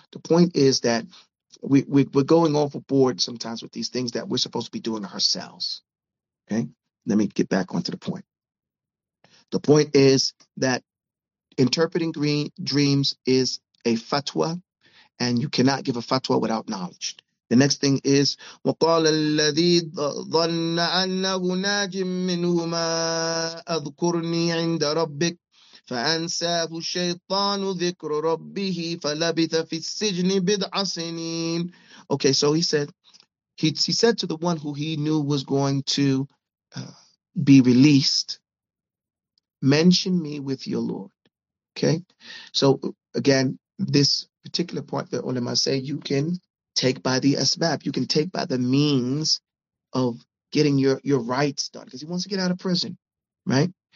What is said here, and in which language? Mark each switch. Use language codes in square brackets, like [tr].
[en] The point is that we're going overboard sometimes with these things that we're supposed to be doing ourselves. Okay? Let me get back onto the point. The point is that interpreting dreams is a fatwa, and you cannot give a fatwa without knowledge. The next thing is, [ar] وَقَالَ الَّذِي ظَنَّ أَنَّهُ نَاجٍ مِّنْهُمَا أَذْكُرْنِي عِنْدَ رَبِّكَ فَأَنْسَاهُ الشَّيْطَانُ ذِكْرُ رَبِّهِ فَلَبِثَ فِي السِّجْنِ بِضْعَ سِنِينَ. [en] Okay, so he said to the one who he knew was going to be released, mention me with your Lord. Okay, so again, this particular point that ulama say, you can take by the asbab, you can take by the means of getting your rights done, because he wants to get out of prison, right?